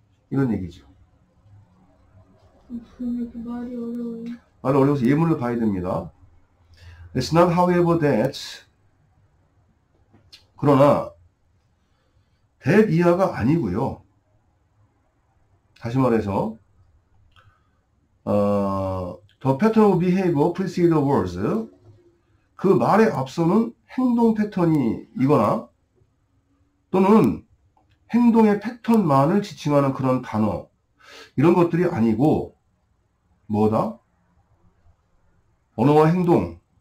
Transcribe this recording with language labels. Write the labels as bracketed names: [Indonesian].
[Korean] 이런 얘기죠. 그 말이 어려워요. 말이 어려워서 예문을 봐야 됩니다. [English] It's not however that. [Korean] 그러나, that 이하가 아니고요. [English] 다시 말해서, the pattern of behavior precedes the words. [Korean] 그 말에 앞서는 행동 패턴이 이거나 또는 행동의 패턴만을 지칭하는 그런 단어. 이런 것들이 아니고, 뭐다? 언어와 행동.